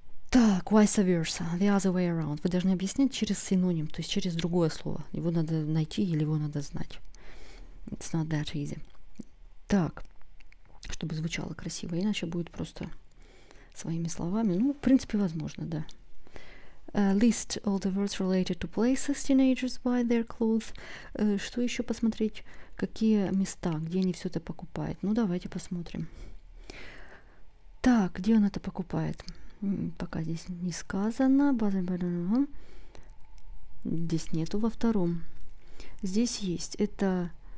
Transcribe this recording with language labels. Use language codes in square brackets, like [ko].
[en] Так, vice versa, the other way around. [ru] Вы должны объяснять через синоним, то есть через другое слово. Его надо найти или его надо знать. [en] It's not that easy. [ru] Так, чтобы звучало красиво, иначе будет просто своими словами. Ну, в принципе, возможно, да. [en] List all the words related to places teenagers buy their clothes. [ru] Что еще посмотреть? Какие места, где они все это покупают? Ну, давайте посмотрим. Так, где он это покупает? Пока здесь не сказано. Здесь нету во втором. Здесь есть. Это...